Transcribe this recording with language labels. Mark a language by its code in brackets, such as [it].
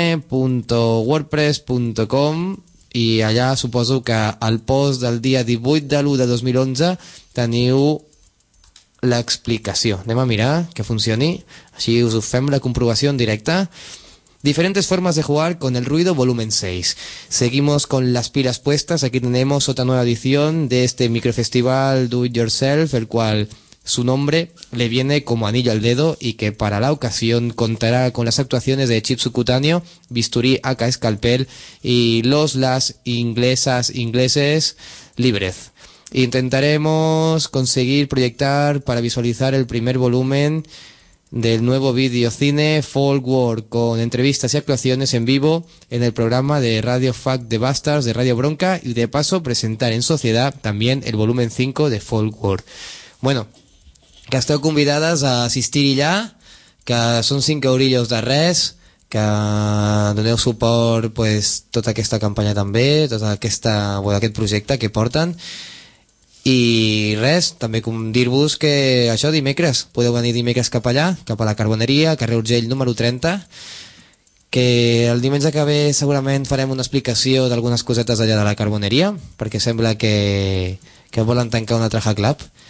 [ca] antipatiacine.wordpress.com, i allà suposo que al post del dia 18/1/2011 teniu l'explicació. Anem a mirar que funcioni, així us fem la comprovació en directe. [es] Diferentes formas de jugar con el ruido, volumen 6. Seguimos con las pilas puestas. Aquí tenemos otra nueva edición de este microfestival Do It Yourself, el cual su nombre le viene como anillo al dedo y que para la ocasión contará con las actuaciones de Chip Subcutáneo, Bisturí, Aka Escalpel y los las inglesas, ingleses, Librez. Intentaremos conseguir proyectar para visualizar el primer volumen del nuevo videocine Folkworld con entrevistas y actuaciones en vivo en el programa de Radio Fuck the Bastards de Radio Bronca y de paso presentar en sociedad también el volumen 5 de Folkworld. [ca] Bueno, que esteu convidades a assistir allà, que són 5 eurillos de res, que doneu suport pues, tota aquesta campanya també, tota aquesta, bueno, aquest projecte que porten. I res, també com dir-vos que això dimecres, podeu venir dimecres cap allà, cap a la Carboneria, carrer Urgell número 30, que el diumenge que ve segurament farem una explicació d'algunes cosetes allà de la Carboneria, perquè sembla que volen tancar un altre Hack Lab.